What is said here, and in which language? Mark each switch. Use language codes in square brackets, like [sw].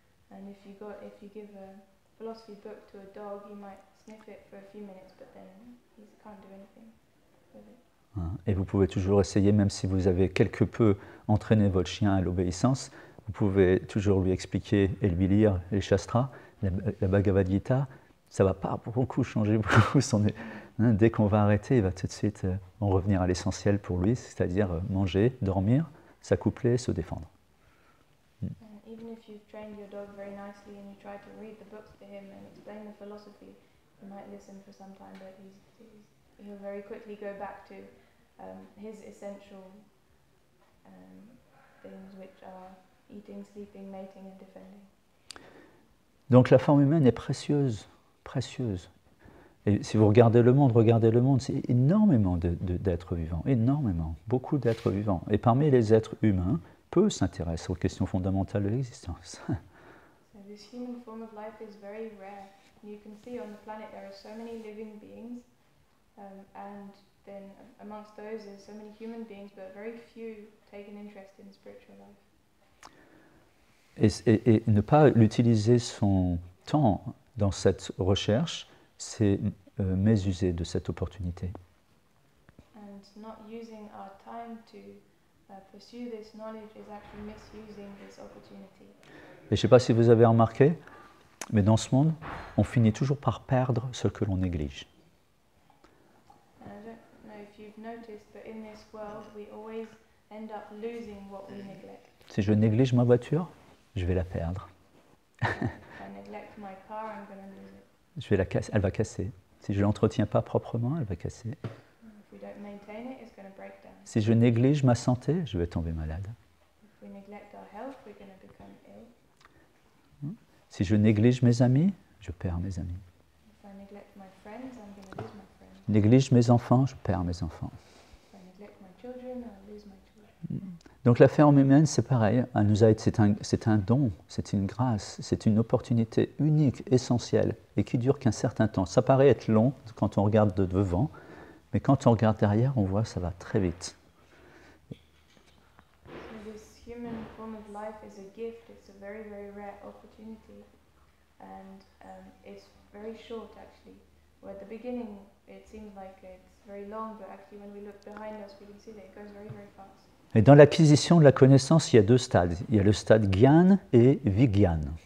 [en] And if you give a philosophy book to a dog, he might sniff it for a few minutes, but then he can't do anything with it. [fr] Et vous pouvez toujours essayer, même si vous avez quelque peu entraîné votre chien à l'obéissance, vous pouvez toujours lui expliquer et lui lire les shastras, la Bhagavad Gita, ça va pas beaucoup changer pour son... Dès qu'on va arrêter, il va tout de suite en revenir à l'essentiel pour lui, c'est-à-dire manger, dormir, s'accoupler, se défendre. [en] Even if you've trained your dog very nicely and you try to read the books to him and explain the philosophy, he might listen for some time, but he'll very quickly go back to his essential things, which are eating, sleeping, mating and defending. [fr] Donc la forme humaine est précieuse, précieuse. Et si vous regardez le monde, c'est énormément d'êtres vivants, énormément, beaucoup d'êtres vivants. Et parmi les êtres humains, peu s'intéressent aux questions fondamentales de l'existence. [en] So this human form of life is very rare. You can see on the planet there are so many living beings, and then amongst those there are so many human beings, but very few take an interest in spiritual life. [fr] Et ne pas utiliser son temps dans cette recherche, c'est mésuser de cette opportunité. [en] And not using our time to pursue this knowledge is actually misusing this opportunity. [fr] Et je ne sais pas si vous avez remarqué, mais dans ce monde, on finit toujours par perdre ce que l'on néglige. [en] And I don't know if you've noticed, but in this world, we always end up losing what we neglect. [fr] Si je néglige ma voiture, je vais la perdre. [en] If I neglect my car, I'm going to lose it. [fr] Je vais la casser, elle va casser. Si je ne l'entretiens pas proprement, elle va casser. [en] If we don't maintain it, it's going to break down. [fr] Si je néglige ma santé, je vais tomber malade. [en] If we neglect our health, we're going to become ill. [fr] Si je néglige mes amis, je perds mes amis. [en] If I neglect my friends, I'm going to lose my friends. [fr] Néglige mes enfants, je perds mes enfants. [en] If I neglect my children, I'll lose my children. [fr] Donc la ferme humaine, c'est pareil, c'est un don, c'est une grâce, c'est une opportunité unique, essentielle, et qui dure qu'un certain temps. Ça paraît être long quand on regarde de devant, mais quand on regarde derrière, on voit que ça va très vite. [en] So this human form of life is a gift, it's a very, very rare opportunity, and it's very short actually. Well, at the beginning, it seems like it's very long, but actually when we look behind us, we can see that it goes very, very fast. [fr] Et dans l'acquisition de la connaissance, il y a deux stades. Il y a le stade gyan et vigyan.